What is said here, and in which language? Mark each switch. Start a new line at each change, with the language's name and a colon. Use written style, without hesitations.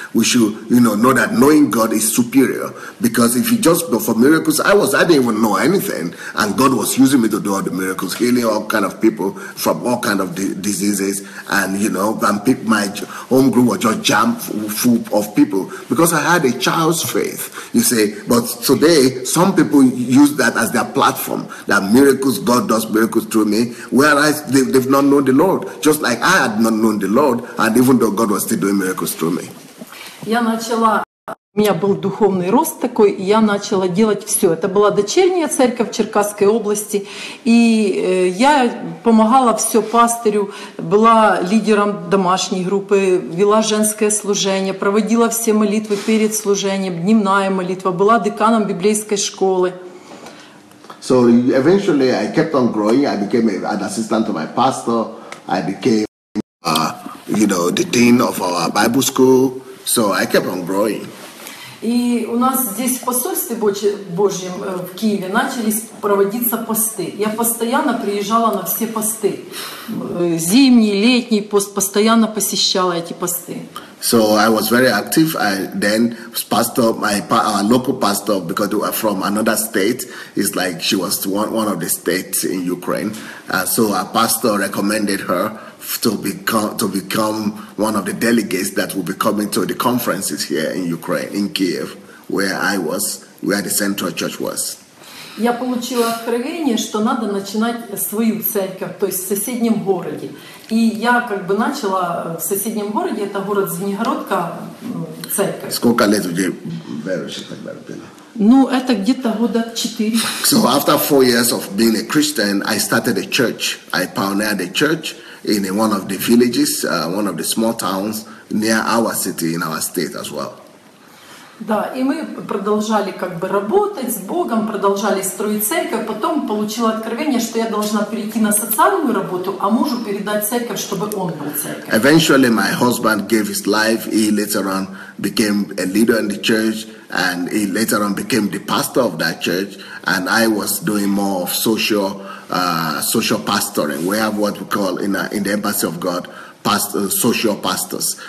English: We should, you know that knowing God is superior. Because if you just go for miracles, I didn't even know anything, and God was using me to do all the miracles, healing all kind of people from all kind of diseases, and you know, and my home group was just jammed full of people because I had a child's faith. You see, but today some people use that as their platform, that miracles, God does miracles through me, whereas they've not known the Lord, just like I had not known the Lord, and even though God was still doing miracles through me.
Russian: Я начала, у меня был духовный рост такой, и я начала делать все. Это была дочерняя церковь в Черкасской области, и я помогала все пастырю, была лидером домашней группы, вела женское служение, проводила все молитвы перед служением, дневная молитва, была деканом библейской школы.
English: So eventually I kept on growing. I became an assistant to my pastor. I became, the dean of our Bible school. So I kept on growing.
Russian: И у нас здесь в посольстве Божьем в Киеве начались проводиться посты. Я постоянно приезжала на все посты. Зимний, летний пост, постоянно посещала эти посты.
English: So I was very active. I then pastor, our local pastor, because we were from another state, is like she was one of the states in Ukraine. So our pastor recommended her to become one of the delegates that will be coming to the conferences here in Ukraine, in Kiev, where the central church was.
Russian: Я получила откровение, что надо начинать свою церковь, то есть в соседнем городе. И я как бы начала в соседнем городе, это город Звенигородка, церковь. Сколько лет уже верующий? Ну, это где-то года 4.
English: So after 4 years of being a Christian, I started a church. I pioneered a church in one of the villages, one of the small towns near our city, in our state as well.
Russian: Да, и мы продолжали как бы работать с Богом, продолжали строить церковь. Потом получила откровение, что я должна перейти на социальную работу, а мужу передать церковь, чтобы он был церковь.
English: Eventually, my husband gave his life. He later on became a leader in the church, and he later on became the pastor of that church. And I was doing more of social pastoring. We have what we call in the embassy of God, social pastors.